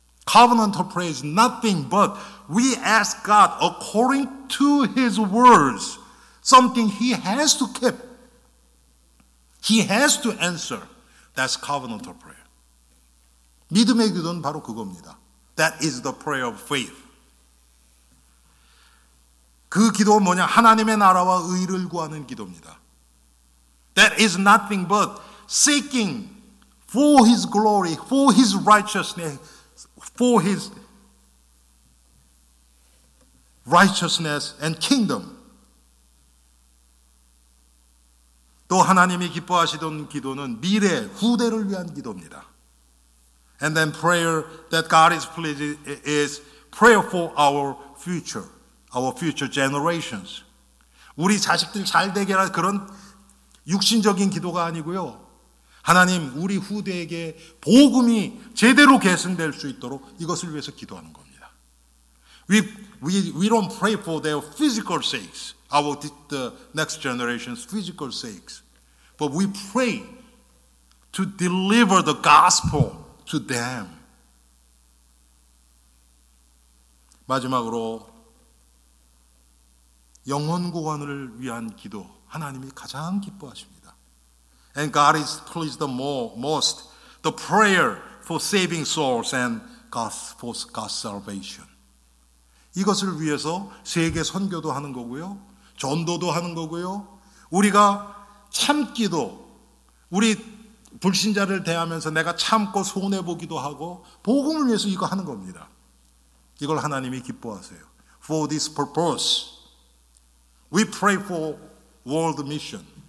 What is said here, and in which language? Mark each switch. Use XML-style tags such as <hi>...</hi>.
<en>Covenantal prayer is nothing but we ask God according to His words, something He has to keep. He has to answer. That's covenantal prayer.</en> <ko>믿음의 기도는 바로 그겁니다.</ko> <en>That is the prayer of faith.</en> <ko>그 기도는 뭐냐? 하나님의 나라와 의를 구하는 기도입니다.</ko> <en>That is nothing but seeking for his glory, for his righteousness, for his righteousness and kingdom.</en> <ko>또 하나님이 기뻐하시던 기도는 미래, 후대를 위한 기도입니다.</ko> <en>And then prayer that God is pleased is prayer for our future generations.</en> <ko>우리 자식들 잘 되게 하라 그런 육신적인 기도가 아니고요. 하나님 우리 후대에게 복음이 제대로 계승될 수 있도록 이것을 위해서 기도하는 겁니다.</ko> <en>We don't pray for their physical sakes, the next generation's physical sakes, but we pray to deliver the gospel to them.</en> <ko>마지막으로 영혼 구원을 위한 기도 하나님이 가장 기뻐하십니다.</ko> <en>And God is pleased most the prayer for saving souls and God's salvation.</en> <ko>이것을 위해서 세계 선교도 하는 거고요. 전도도 하는 거고요. 우리가 참기도 우리 불신자를 대하면서 내가 참고 손해보기도 하고 복음을 위해서 이거 하는 겁니다. 이걸 하나님이 기뻐하세요.</ko> <en>For this purpose, we pray for world mission.</en>